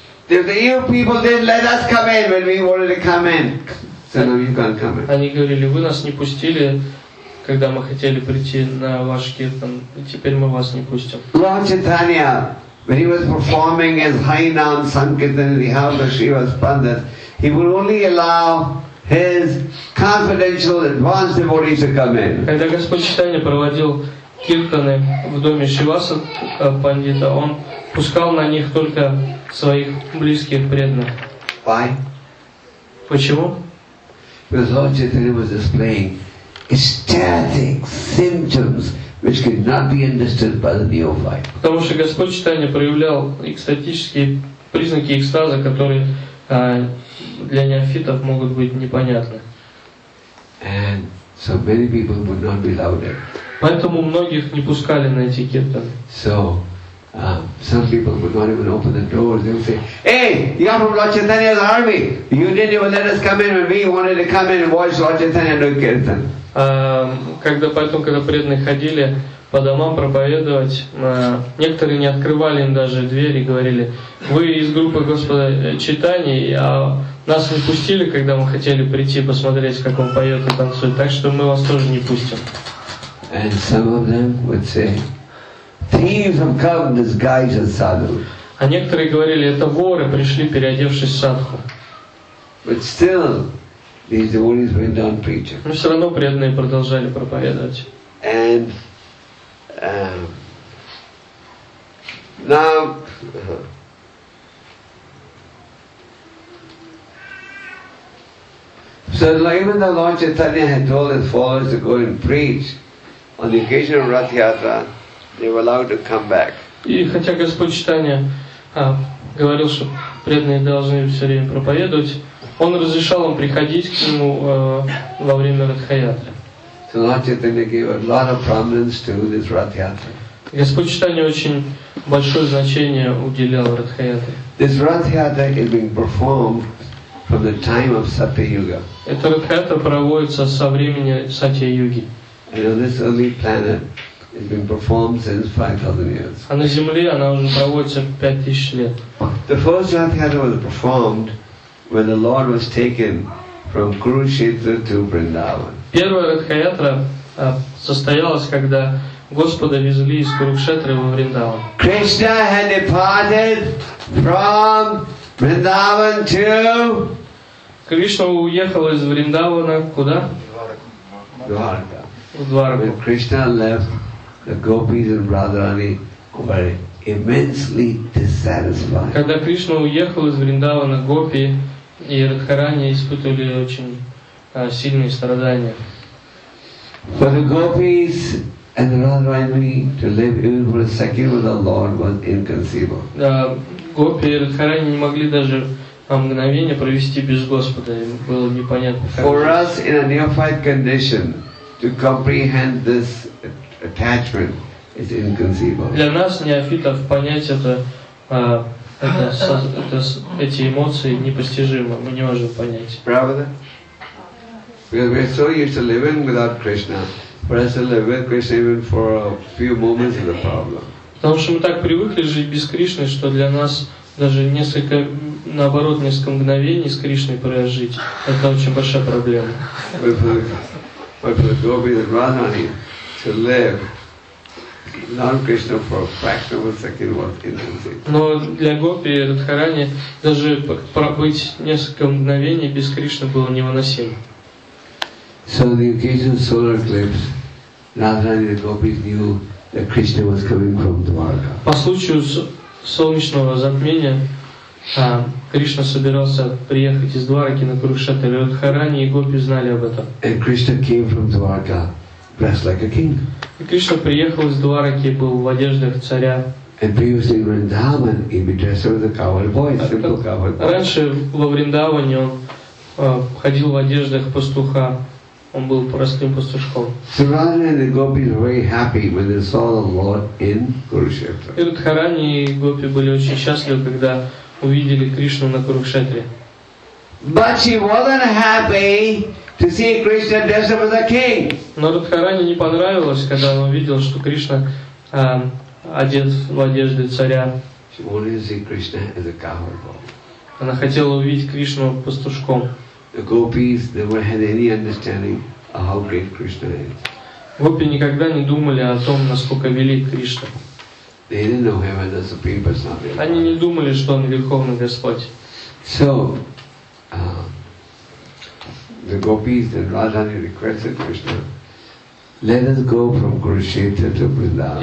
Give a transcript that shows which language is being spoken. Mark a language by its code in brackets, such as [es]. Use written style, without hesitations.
[en] The evil people didn't let us come in when we wanted to come in. So now you can't come in. [ru] Они говорили: "Вы нас не пустили, когда мы хотели прийти на ваш киртан, и теперь мы вас не пустим." [en] Lord Chaitanya, when he was performing his Harinam Sankirtan in the house of Shiva's Pandas, he would only allow his confidential advanced devotees to come in. [ru] Когда Господь Чайтанья проводил киртаны в доме Шиваса Пандита, он пускал на них только своих близких преданных. [en] Why? [ru] Почему? [en] Because Lord Chaitanya was displaying ecstatic symptoms which could not be understood by the neophyte. [ru] Потому что Господь Чайтанья проявлял экстатические признаки экстаза, которые для неофитов могут быть непонятны. [en] And so many people would not be allowed there. [ru] Поэтому многих не пускали на эти киртаны. [en] So some people would not even open the doors. They would say, "Hey, you are from Lord Chaitanya's army. You didn't even let us come in when we wanted to come in and watch Lord Chaitanya do kirtan." [ru] Когда преданные ходили по домам проповедовать, некоторые не открывали им даже двери и говорили: "Вы из группы Господа Чайтаньи, а нас не пустили, когда мы хотели прийти посмотреть, как он поет и танцует, так что мы вас тоже не пустим." [en] And some of them would say, "Thieves have come disguised as sadhu." [ru] А некоторые говорили: "Это воры пришли, переодевшись в садху." [en] But still, these devotees went on preaching. [ru] Но все равно преданные продолжали проповедовать. [en] And now so even the Lord Chaitanya had told his followers to go and preach on the occasion of Rath Yatra, they were allowed to come back. [ru] И хотя Господь Чайтанья говорил, что преданные должны все время проповедовать, он разрешал им приходить к нему во время Радхаятры. [en] So Lord Chaitanya gave a lot of prominence to this Radhayatra. [ru] Господь Чайтанья очень большое значение уделял Радхаятре. [en] This Radhayatra is being performed from the time of Satya-yuga. [ru] Эта Радхаятра проводится со времени Сатья-юги. [en] And on this early planet, it's been performed since 5,000 years. [ru] А на Земле она уже проводится 5,000 лет. [en] The first Radhayatra was performed when the Lord was taken from Kurukshetra to Vrindavan. [ru] Первая Радхаятра состоялась, когда Господа везли из Курукшетры во Вриндаван. [en] Krishna had departed from Vrindavan to... [ru] Кришна уехал из Вриндавана куда? [en] Dwarka. Dwarka. When Krishna left, the gopis and Radharani were immensely dissatisfied. [ru] Когда Кришна уехал из Вриндавана, гопи и Радхарани испытывали очень сильные страдания. [en] But the gopis And the Radharani to live even for a second with the Lord was inconceivable. [ru] Да, гопи и радхарани не могли даже мгновение провести без Господа, им было непонятно. [en] For us in a neophyte condition to comprehend this attachment is inconceivable. [ru] Для нас неофитов понять эти эмоции непостижимы, мы не можем понять. Правда? [en] Because we're so used to living without Krishna. For us to live with Krishna even for a few moments is a problem. [ru] Потому что мы так привыкли жить без Кришны, что для нас даже несколько, наоборот, несколько мгновений с Кришной прожить, это очень большая проблема. [en] But for the gopis and Radharani to live non-Krishna for a fraction of a second was inconceivable. [ru] Но для гопи и радхарани даже пробыть несколько мгновений без Кришны было невыносимо. [en] So the occasion of solar eclipse, Radharani and gopis knew that Krishna was coming from Dwarka. [ru] По случаю солнечного затмения Кришна собирался приехать из Двараки на Курукшетру. Радхарани и гопи знали об этом. [en] And Krishna came from Dwarka, dressed like a king. [ru] И Кришна приехал из Двараки, был в одеждах царя. [en] And previously in Vrindavan, he was dressed as a cowherd boy, simple cowherd boy. [ru] Раньше во Вриндаване он ходил в одеждах пастуха. Он был простым пастушком. [en] So Radha and the gopis were very happy when they saw the Lord in Kurukshetra. [ru] И Радхарани и гопи были очень счастливы, когда увидели Кришну на Курукшетре. [en] But she wasn't happy to see Krishna dressed up as a king. [ru] Но Радхарани не понравилось, когда он увидел, что Кришна одет в одежды царя. [en] She wanted to see Krishna as a cowherd boy. [ru] Она хотела увидеть Кришну пастушком. [en] The gopis never had any understanding of how great Krishna is. [ru] Гопи никогда не думали о том, насколько велик Кришна. [en] They didn't know him as the supreme personality. [ru] Они не думали, что он верховный Господь. [en] So the gopis and Radharani requested Krishna, "Let us go from Kurukshetra to Vrindavan."